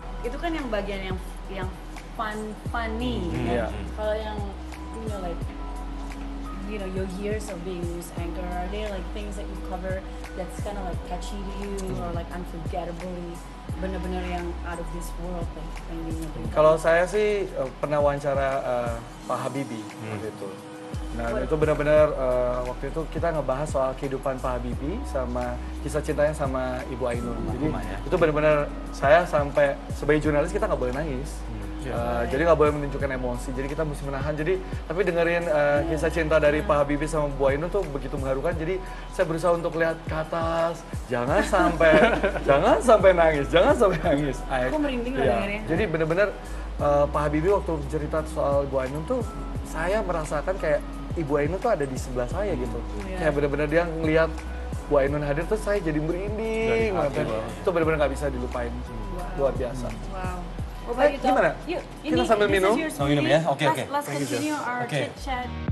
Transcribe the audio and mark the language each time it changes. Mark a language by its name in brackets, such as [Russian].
[Indonesian] Itu kan yang bagian yang funny, kan? Kalau yang, [English] you know, like, you know, your years of being news anchor, are there like things that you cover that's kind of like catchy to you, or like unforgettable, [Indonesian] benar-benar yang [English] out of this world, like, thing you know? [Indonesian] Kalau saya sih pernah wawancara Pak Habibie, gitu. Nah, itu benar-benar waktu itu kita ngebahas soal kehidupan Pak Habibie sama kisah cintanya sama Ibu Ainun. Jadi itu benar-benar saya sampai sebagai jurnalis kita nggak boleh nangis. Jadi nggak boleh menunjukkan emosi. Jadi kita mesti menahan. Jadi tapi dengerin kisah cinta dari Pak Habibie sama Bu Ainun tuh begitu mengharukan. Jadi saya berusaha untuk lihat ke atas. Jangan sampai jangan sampai nangis. Aku merinding dengerin. Jadi benar-benar Pak Habibie waktu cerita soal Bu Ainun tuh saya merasakan kayak Ibu Ainun tuh ada di sebelah saya gitu. Kayak benar-benar dia ngelihat Bu Ainun hadir tuh saya jadi merinding. Itu benar-benar enggak bisa dilupain. Luar biasa. Wow. Oh, gimana? Yuk, kita sambil minum. Sambil minum ya. Oke, okay, oke. [English] Okay. Let's continue our chit chat.